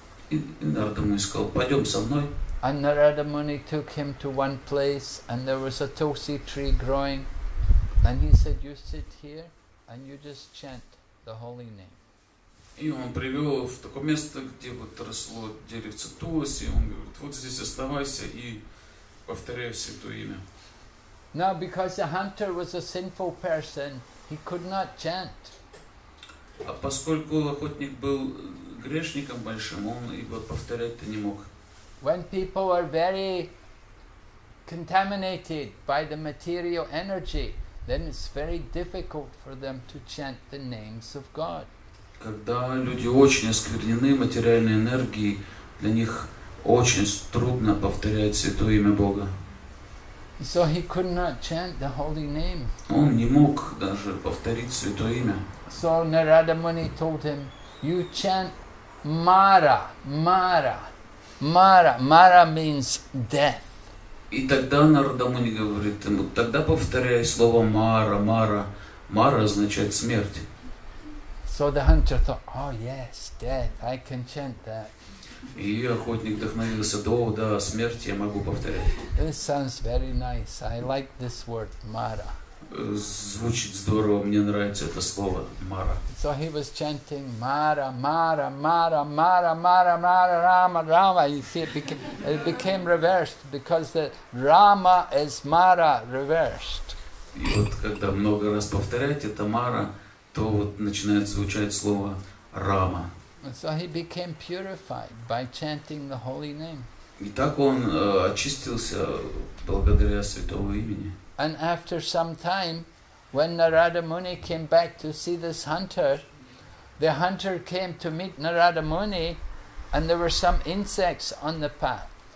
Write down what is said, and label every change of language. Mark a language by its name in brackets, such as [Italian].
[Russian] И Нарада Муни сказал: пойдем со мной. [English] And Narada Muni took him to one place, and there was a tulsi tree growing. And he said, you sit here, and you just chant the holy name. [Russian] И он привел в такое место, где вот росло деревце туласи, он говорит: вот здесь оставайся и повторяй святое имя. [English] Now, because the hunter was a sinful person, he could not chant. [Russian] А поскольку охотник был грешником большим, он его повторять-то не мог. [English] When people are very contaminated by the material energy, then it's very difficult for them to chant the names of God. [Russian] Когда люди очень осквернены материальной энергией, для них очень трудно повторять святое имя Бога. [English] So he could not chant the holy name. [Russian] Он не мог даже повторить святое имя. [English] So Narada Muni told him, you chant Mara, Mara, Mara, Mara means death. [Russian] И тогда Нарада Муни говорит ему: тогда повторяй слово Мара, Мара. Мара означает смерть. [English] So the hunter thought, oh yes, death, I can chant that. [Russian] И охотник вдохновился: да, смерть, я могу повторять. [English] This sounds very nice, I like this word, Mara. [Russian] Звучит здорово, мне нравится это слово, Mara. [English] So he was chanting, Mara, Mara, Mara, Mara, Mara, Mara, Rama, Rama. You see, it became reversed, because the Rama is Mara, reversed. [Russian] И вот когда много раз повторять это Mara, то вот начинает звучать слово Рама. [English] So he became purified by chanting the holy name. [Russian] И так он очистился благодаря святого имени. [English] And after some time, when Narada Muni came back to see this hunter, the hunter came to meet Narada Muni, and there were some insects on the path.